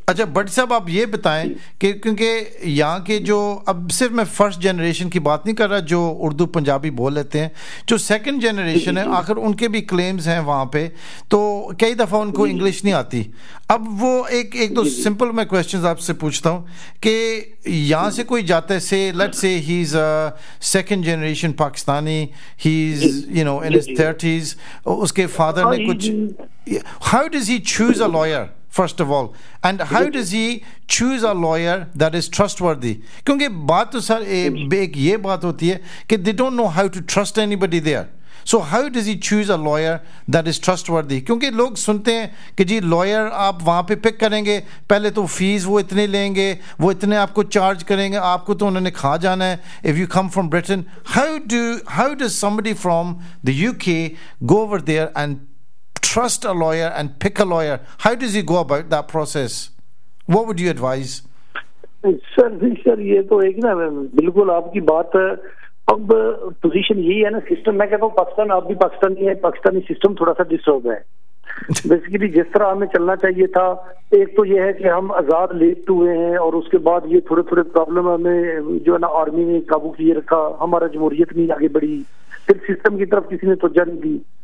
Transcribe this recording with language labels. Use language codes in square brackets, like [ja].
[hi] अच्छा बड़ी साहब आप ये बताएं कि क्योंकि यहाँ के जो अब सिर्फ मैं फर्स्ट जनरेशन की बात नहीं कर रहा जो उर्दू पंजाबी बोल लेते हैं जो सेकंड जनरेशन है आखिर उनके भी क्लेम्स हैं वहाँ पे तो कई दफ़ा उनको इंग्लिश नहीं आती अब वो एक एक दो सिंपल मैं क्वेश्चन आपसे पूछता हूँ कि यहाँ से कोई जाते से लेट से [en] ही is a second generation Pakistani he is you know in his 30s [hi] उसके फादर ने कुछ [en] How does he choose a lawyer, first of all? And how does he choose a lawyer that is trustworthy? Because this is that they don't know how to trust anybody there. So how does he choose a lawyer that is trustworthy? Because people listen to that lawyer, you will pick there. First, they will take fees. They will charge you so much. If you come from Britain, how does somebody from the UK go over there and trust a lawyer and pick a lawyer. How does he go about that process? What would you advise? [hi] Sir, ये तो एक ना बिल्कुल आपकी बात अब position यही है ना system मैं कहता हूँ पाकिस्तान आप भी पाकिस्तानी है पाकिस्तानी system थोड़ा सा disturb है बेसिकली जिस तरह हमें चलना चाहिए था एक तो ये है कि हम आजाद लेट हुए हैं और उसके बाद ये थोड़े थोड़े प्रॉब्लम हमें जो है ना आर्मी ने काबू किए रखा हमारा जमहूरियत नहीं आगे बढ़ी फिर सिस्टम की तरफ किसी ने तवज्जो नहीं दी